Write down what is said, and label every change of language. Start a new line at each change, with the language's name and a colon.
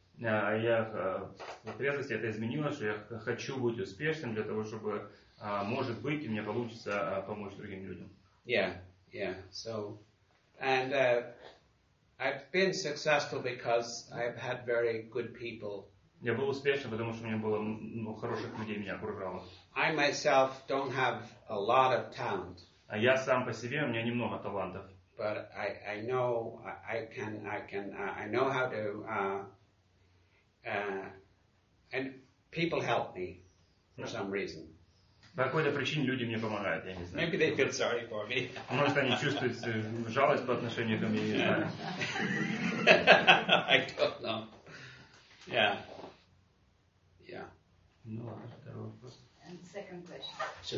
Russian: В трезвости это изменилось, что я хочу быть успешным для того, чтобы может быть у меня получится помочь другим людям.
English: Yeah, yeah. So and I've been successful because I've had very good people.
Russian: Я был успешен, потому что у меня было хороших людей меня окружало.
English: I myself don't have a lot of talent.
Russian: А я сам по себе, у меня немного талантов.
English: But I know I know how to and people help me for some reason.
Russian: По какой-то причине люди мне помогают, я не знаю.
English: Maybe they feel sorry for me.
Russian: Может, они чувствуют жалость по отношению ко мне, я не знаю.
English: I don't know. Yeah. Yeah.
Russian: Ну, ладно, второй вопрос.
English: And second question.